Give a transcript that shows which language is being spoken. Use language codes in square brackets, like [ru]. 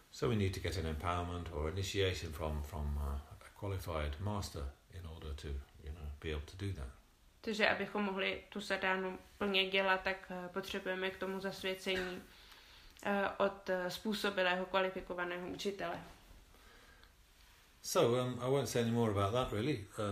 [en] So we need to get an empowerment or initiation from a qualified master in order to, you know, be able to do that. [cs] Takže abychom mohli tu sadánu plně dělat, tak potřebujeme k tomu zasvěcení od způsobilého kvalifikovaného učitele. [en] So, I won't say any more about that really.